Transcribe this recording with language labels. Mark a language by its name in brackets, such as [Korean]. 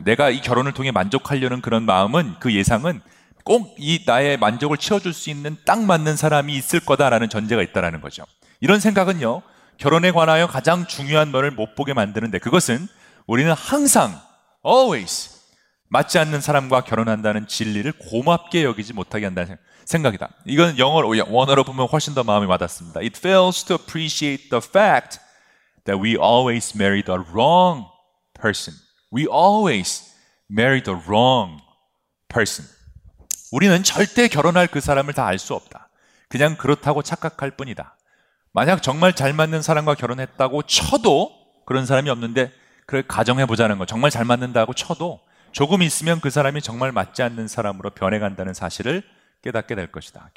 [Korean] 내가 이 결혼을 통해 만족하려는 그런 마음은, 그 예상은 꼭 이 나의 만족을 채워줄 수 있는 딱 맞는 사람이 있을 거다라는 전제가 있다라는 거죠. 이런 생각은요, 결혼에 관하여 가장 중요한 면을 못 보게 만드는데, 그것은 우리는 항상 always 맞지 않는 사람과 결혼한다는 진리를 고맙게 여기지 못하게 한다는 생각이다. 이건 영어로, 원어로 보면 훨씬 더 마음이 와닿습니다. [English] It fails to appreciate the fact that we always marry the wrong person. We always marry the wrong person. [Korean] 우리는 절대 결혼할 그 사람을 다 알 수 없다. 그냥 그렇다고 착각할 뿐이다. 만약 정말 잘 맞는 사람과 결혼했다고 쳐도, 그런 사람이 없는데 그걸 가정해보자는 거, 정말 잘 맞는다고 쳐도 조금 있으면 그 사람이 정말 맞지 않는 사람으로 변해간다는 사실을 깨닫게 될 것이다.